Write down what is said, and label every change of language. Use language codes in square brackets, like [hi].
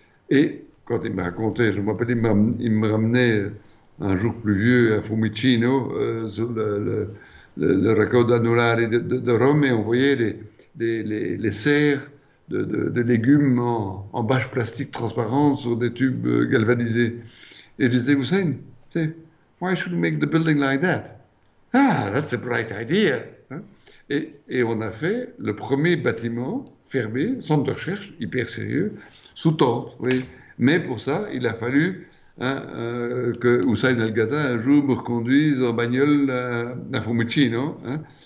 [fr] Et quand il me racontait, je me rappelle, il me ramenait un jour pluvieux à Fiumicino, sur le Raccordo Anulare de Rome, et on voyait les serres de légumes en bâches plastiques transparentes sur des tubes galvanisés. Et je disais, [en] Hussein, why should we make the building like that? Ah, that's a bright idea. Hein? [fr] Et on a fait le premier bâtiment fermé, centre de recherche, hyper sérieux, sous tente. Oui. Mais pour ça, il a fallu hein, que Hussein Al-Ghatta un jour me reconduise en bagnole à Fiumicino. Hein.